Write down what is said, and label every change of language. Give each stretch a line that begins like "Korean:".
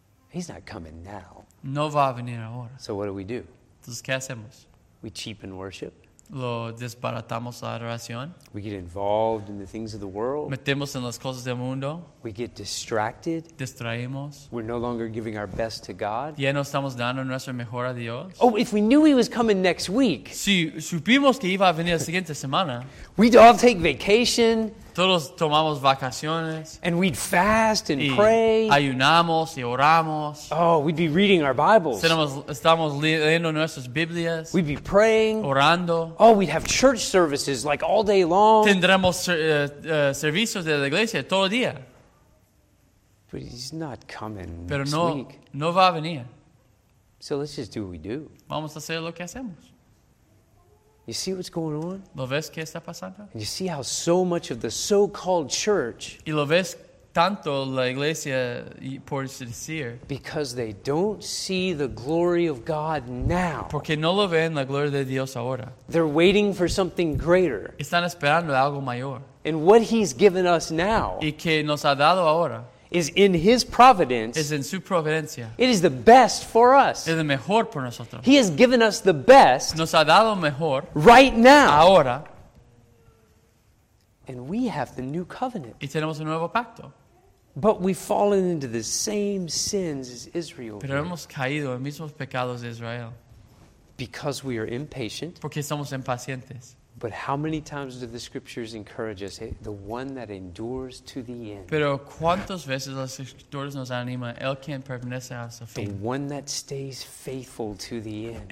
English: He's not coming now.
Spanish: No va a venir ahora.
English: So what do we do?
Spanish: Entonces, ¿qué hacemos?
English: We cheapen worship.
Spanish: Lo desbaratamos la adoración.
English: We get involved in the things of the world.
Spanish: Metemos en las cosas del mundo.
English: We get distracted.
Spanish: Distraemos.
English: We're no longer giving our best to God.
Spanish: Ya no estamos dando nuestro mejor a Dios.
English: Oh, if we knew he was coming next week.
Spanish: Si supimos que iba a venir la siguiente semana.
English: We'd all take vacation.
Spanish: Todos tomamos vacaciones.
English: And we'd fast and pray.
Spanish: Ayunamos y oramos.
English: Oh, we'd be reading our Bibles.
Spanish: Estamos leyendo nuestras Biblias.
English: We'd be praying.
Spanish: Orando.
English: Oh, we'd have church services like all day long.
Spanish: Tendremos servicios de la iglesia todo el día.
English: But he's not coming
Spanish: Pero
English: next
Spanish: no,
English: week.
Spanish: No va a venir.
English: So let's just do what we do.
Spanish: Vamos a hacer lo que hacemos.
English: You see what's going on?
Spanish: ¿Lo ves qué está pasando?
English: And you see how so much of the so-called church
Spanish: ¿Y lo ves tanto la iglesia por decir?
English: Because they don't see the glory of God now.
Spanish: Porque no lo ven la gloria de Dios ahora.
English: They're waiting for something greater.
Spanish: Están esperando algo mayor.
English: And what he's given us now
Spanish: y que nos ha dado ahora
English: is in his providence.
Spanish: Es en su providencia.
English: It is the best for us.
Spanish: Es el mejor por nosotros.
English: He has given us the best.
Spanish: Nos ha dado mejor.
English: Right now.
Spanish: Ahora.
English: And we have the new covenant.
Spanish: Y tenemos un nuevo pacto.
English: But we've fallen into the same sins as Israel.
Spanish: Pero hemos caído en mismos pecados de Israel.
English: Because we are impatient.
Spanish: Porque somos impacientes.
English: But how many times do the scriptures encourage us, hey, the one that endures to the end?
Spanish: Pero cuántas veces las escrituras nos anima, el que permanece hasta fin.
English: The one that stays faithful to the end.